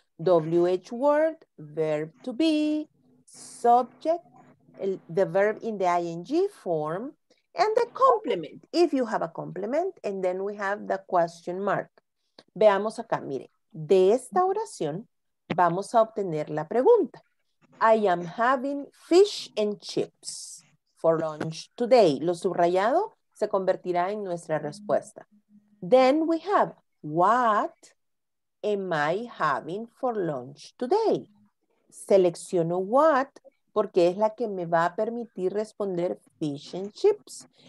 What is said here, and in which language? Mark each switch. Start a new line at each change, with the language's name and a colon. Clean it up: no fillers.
English: WH word, verb to be, subject, the verb in the ing form, and the complement, if you have a complement, and then we have the question mark.
Spanish: Veamos acá, mire, de esta oración vamos a obtener la pregunta.
English: I am having fish and chips for lunch today.
Spanish: Lo subrayado se convertirá en nuestra respuesta.
English: Then we have, what am I having for lunch today?
Spanish: Selecciono what porque es la que me va a permitir responder
English: fish and chips.